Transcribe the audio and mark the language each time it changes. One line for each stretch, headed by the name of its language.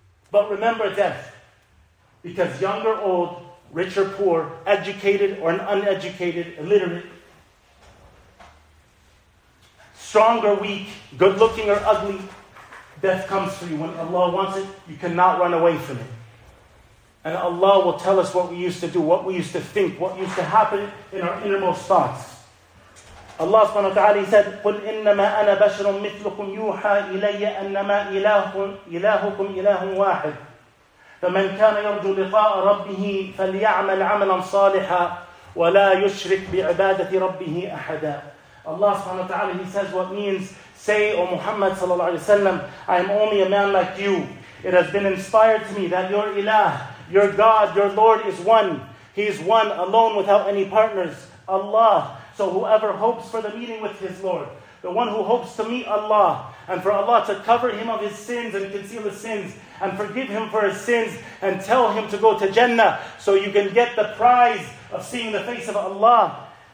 English: But remember death. Because young or old, rich or poor, educated or uneducated, illiterate, strong or weak, good looking or ugly, death comes for you. When Allah wants it, you cannot run away from it. And Allah will tell us what we used to do, what we used to think, what used to happen in our innermost thoughts. Allah subhanahu wa ta'ala said,
Arabic: قُلْ إِنَّمَا أَنَا بَشْرٌ مِثْلُكُمْ يُوحَى إِلَيَّ أَنَّمَا إِلَهُكُمْ إِلَهٌ وَاحِدٌ فَمَنْ كَانَ يَرْجُو لِقَاءَ رَبِّهِ فَلْيَعْمَلْ عَمَلًا صَالِحًا وَلَا يُشْرِكْ بِعِبَادَةِ رَبِّهِ أَحَدًا.
English: Allah subhanahu wa ta'ala, He says what means, say, O Muhammad sallallahu alayhi wa sallam, I am only a man like you. It has been inspired to me that your ilah, your God, your Lord is one. He is one, alone, without any partners. Allah. So whoever hopes for the meeting with his Lord, the one who hopes to meet Allah, and for Allah to cover him of his sins and conceal his sins, and forgive him for his sins, and tell him to go to Jannah, so you can get the prize of seeing the face of Allah.